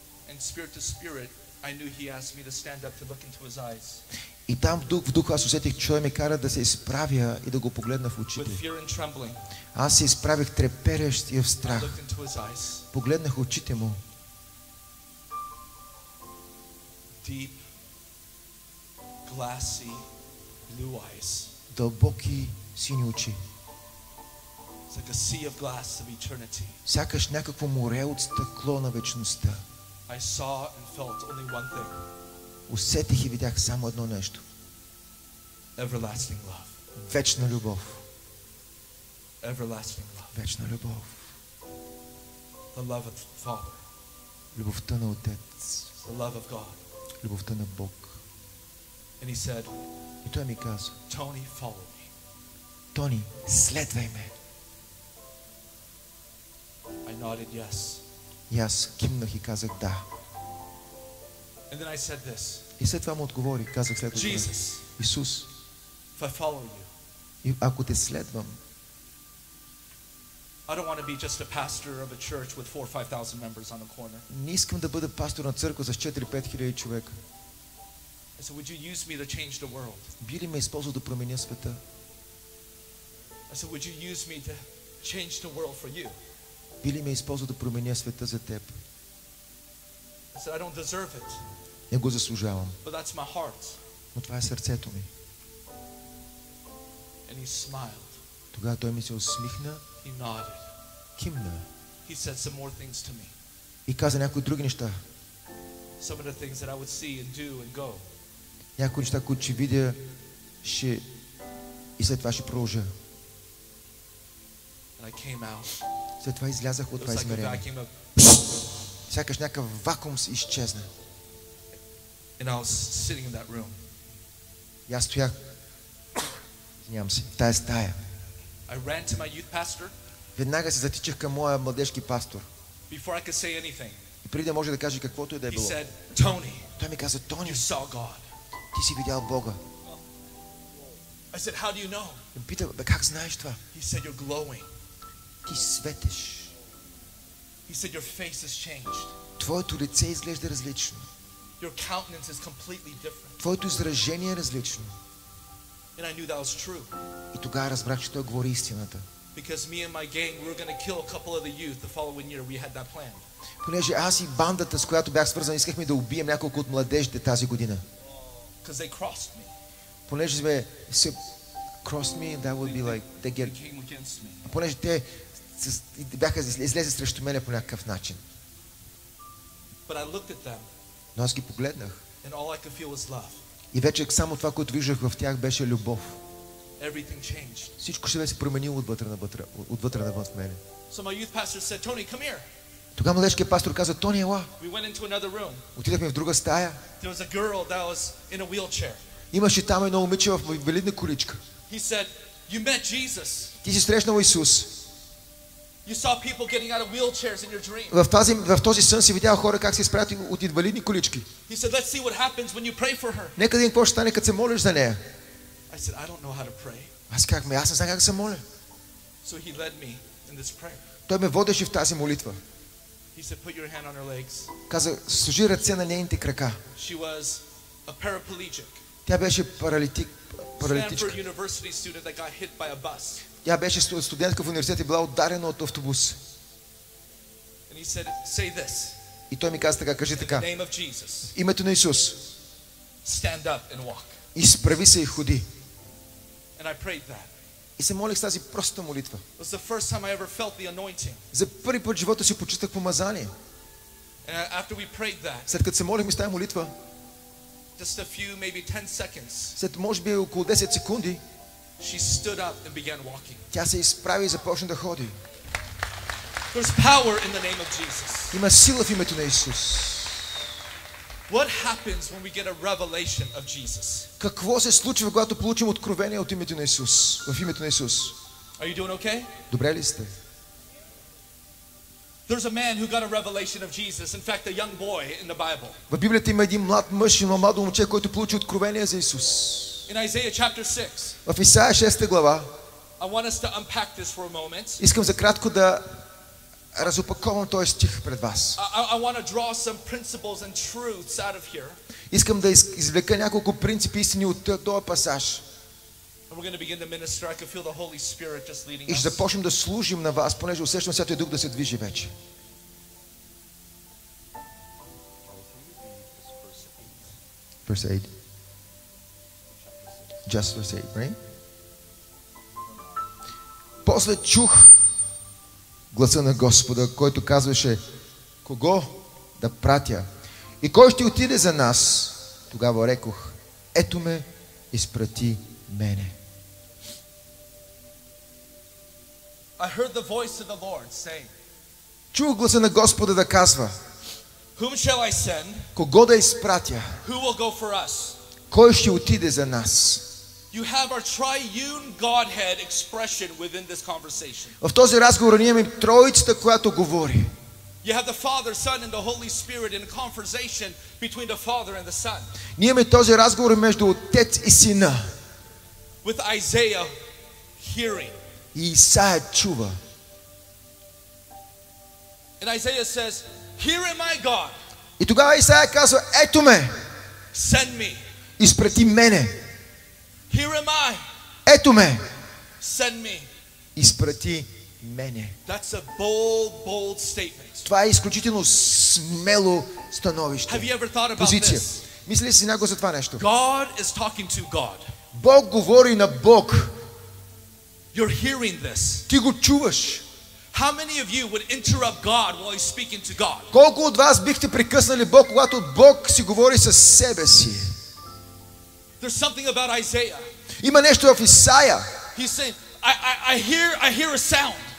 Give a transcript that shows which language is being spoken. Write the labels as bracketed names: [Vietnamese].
[English] And spirit to spirit, I knew he asked me to stand up to look into his eyes. [Bulgarian] И там в дух аз усетих, че той ме кара да се изправя и да го погледна в очите. [English] With fear and trembling. [Bulgarian] Аз се изправих треперещ и в страх. [English] I looked into his eyes. [Bulgarian] Погледнах очите му. [English] Deep, glassy, blue eyes. [Bulgarian] Дълбоки сини очи. [English] It's like a sea of glass of eternity. [Bulgarian] Сякаш някакво море от стъкло на вечността. [English] I saw and felt only one thing. [Bulgarian] Усетих и видях само едно нещо. [English] Everlasting love. [Bulgarian] Вечна любов. [English] Everlasting love. [Bulgarian] Вечна любов. [English] The love of the Father. [Bulgarian] Любовта на Отец. [English] The love of God. [Bulgarian] Любовта на Бог. [English] And he said, [Bulgarian] и той ми каза: [English] "Tony, follow me." [Bulgarian] Тони, следвай ме. [English] I nodded yes. [Bulgarian] И аз кимнах и казах да. [English] And then I said this. [Bulgarian] И след това му отговорих, казах след това: "Исус, [English] if I follow you, [Bulgarian] и ако те следвам, [English] I don't want to be just a pastor of a church with 4,000-5,000 members on the corner. [Bulgarian] Не искам да бъда пастор на църква с 4-5 хиляди човека. [English] I said, would you use me to change the world? [Bulgarian] Би ли ме използвал да променя света? [English] I said, would you use me to change the world for you? [Bulgarian] Би ли ме използвал да променя света за теб? [English] I said, I don't deserve it. [Bulgarian] Не го заслужавам. [English] But that's my heart. [Bulgarian] Но това е сърцето ми." [English] And he smiled. [Bulgarian] Тогава той ми се усмихна. [English] He nodded. [Bulgarian] Кимна. [English] He said some more things to me. [Bulgarian] И каза някои други неща. [English] Some of the things that I would see and do and go. [Bulgarian] Някои неща, които ще видя, ще и след това ще продължа. [English] And I came out. [Bulgarian] След това излязах от това измерение. [English] Like [Bulgarian] сякаш някакъв вакуум се изчезна. [English] And I was sitting in that room. [Bulgarian] И аз стоях, извинявам се, в тая стая. [English] I ran to my youth pastor. [Bulgarian] Веднага се затичах към моя младежки пастор. [English] Before I could say anything. [Bulgarian] И преди да може да каже каквото и да е било. [English] He said, Tony. [Bulgarian] Той ми каза, Тони, [English] you saw God. [Bulgarian] Ти си видял Бога. [English] I said, how do you know? [Bulgarian] И питах, бе, как знаеш това? [English] He said, you're glowing. [Bulgarian] Ти светеш. [English] He said, your face has changed. [Bulgarian] Твоето лице изглежда различно. [English] Your countenance is completely different. [Bulgarian] Твоето изражение е различно. [English] And I knew that was true. [Bulgarian] И тогава разбрах, че той говори истината. [English] Because me and my gang, we were going to kill a couple of the youth the following year. We had that plan. [Bulgarian] Понеже аз и бандата, с която бях свързан, искахме да убием няколко от младежите тази година. [English] Because they crossed me. [Bulgarian] Понеже сме се [English] crossed me, that would be like they get. Came against me. [Bulgarian] Понеже те бяха излезли срещу мене по някакъв начин. [English] But I looked at them. [Bulgarian] Но аз ги погледнах. [English] And all I could feel was love. [Bulgarian] И вече само това, което виждах в тях, беше любов. [English] Everything changed. [Bulgarian] Всичко ще бе се променило отвътре навътре, отвътре навън в мене. [English] So my youth pastor said, Tony, come here. [Bulgarian] Тогава младежкият пастор каза, Тони, ела. [English] We went into another room. [Bulgarian] Отидахме в друга стая. [English] There was a girl that was in a wheelchair. [Bulgarian] Имаше там едно момиче в инвалидна количка. [English] He said, you met Jesus. [Bulgarian] Ти си срещнал Исус. [English] You saw people getting out of wheelchairs in your dream. [Bulgarian] В този сън си видял хора как се изправят от инвалидни колички. [English] He said, let's see what happens when you pray for her. [Bulgarian] Нека да видим какво ще стане, като се молиш за нея. [English] I said, I don't know how to pray. [Bulgarian] Аз казах, ме, аз не знам как се моля. [English] So he led me in this prayer. [Bulgarian] Той ме водеше в тази молитва. [English] He said, put your hand on her legs. [Bulgarian] Каза, сложи ръце на нейните крака. [English] She was a paraplegic. [Bulgarian] Тя беше паралитик, паралитичка. [English] Stanford University student that got hit by a bus. [Bulgarian] Тя беше студентка в университет и била ударена от автобус. [English] And he said, say this. [Bulgarian] И той ми каза така, кажи така. [English] In the name of Jesus. [Bulgarian] Името на Исус. [English] Stand up and walk. [Bulgarian] Изправи се и ходи. [English] And I prayed that. [Bulgarian] И се молих с тази проста молитва. [English] It was the first time I ever felt the anointing. [Bulgarian] За първи път в живота си почувствах помазание. [English] And after we prayed that. [Bulgarian] След като се молихме с тази молитва. [English] Just a few, maybe 10 seconds. [Bulgarian] След може би около 10 секунди. [English] She stood up and began walking. [Bulgarian] Тя се изправи и започна да ходи. [English] There's power in the name of Jesus. [Bulgarian] Има сила в името на Исус. [English] What happens when we get a revelation of Jesus? [Bulgarian] Какво се случва, когато получим откровение от името на Исус? В името на Исус. [English] Are you doing okay? [Bulgarian] Добре ли сте? [English] There's a man who got a revelation of Jesus. In fact, a young boy in the Bible. [Bulgarian] В Библията има един млад мъж, има младо момче, който получи откровение за Исус. [English] In Isaiah chapter 6. [Bulgarian] В Исаия 6-та глава. [English] I want us to unpack this for a moment. [Bulgarian] Искам за кратко да разопаковам този стих пред вас. [English] I want to draw some principles and truths out of here. [Bulgarian] Искам да извлека няколко принципи истини от този пасаж. [English] And we're going to begin to minister. I can feel the Holy Spirit just leading [Bulgarian] us. И ще започнем да служим на вас, понеже усещам Святия Дух да се движи вече. [English] Verse 8. Just verse 8, right? [Bulgarian] После чух гласа на Господа, който казваше, кого да пратя и кой ще отиде за нас. Тогава рекох, ето ме, изпрати мене. [English] I heard the voice of the Lord saying, [Bulgarian] чух гласа на Господа да казва, [English] whom shall I send? [Bulgarian] Кого да изпратя? [English] Who will go for us? [Bulgarian] Кой ще отиде за нас? [English] You have our triune Godhead expression within this conversation. [Bulgarian] В този разговор ние имаме троицата, която говори. [English] You have the Father, Son, and the Holy Spirit in a conversation between the Father and the Son. [Bulgarian] Ние имаме този разговор между Отец и Сина. [English] With Isaiah hearing. [Bulgarian] И Исаия чува. [English] And Isaiah says, "Here am I, God." [Bulgarian] И тогава Исаия казва, ето ме. [English] Send me. [Bulgarian] Изпрати мене. [English] Here am I. [Bulgarian] Ето ме. [English] Send me. [Bulgarian] Изпрати мене. [English] That's a bold, bold statement. [Bulgarian] Това е изключително смело становище. [English] Have you ever thought about this? [Bulgarian] Мисли ли си някога за това нещо? [English] God is talking to God. [Bulgarian] Бог говори на Бог. [English] You're hearing this. [Bulgarian] Ти го чуваш. [English] How many of you would interrupt God while he's speaking to God? [Bulgarian] Колко от вас бихте прекъснали Бог, когато Бог си говори със себе си? [English] There's something about Isaiah. [Bulgarian] Има нещо в Исаия. [English] He's saying, I hear a sound.